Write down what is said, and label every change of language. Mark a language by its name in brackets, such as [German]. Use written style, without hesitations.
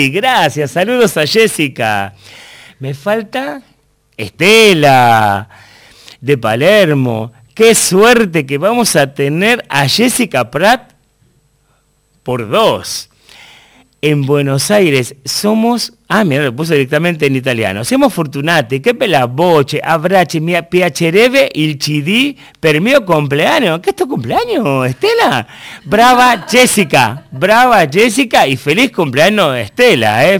[Spanish] Gracias, saludos a Jessica. Me falta Estela de Palermo. Qué suerte que vamos a tener a Jessica Pratt por dos. En Buenos Aires somos... Ah, mira, lo puso directamente en italiano. [Italian] Siamo fortunati, che bella voce, abbracci, mi piacerebbe il CD per mio compleanno. [Spanish] ¿Qué es tu cumpleaños, Estela? Brava Jessica, brava Jessica y feliz cumpleaños, Estela, ¿eh?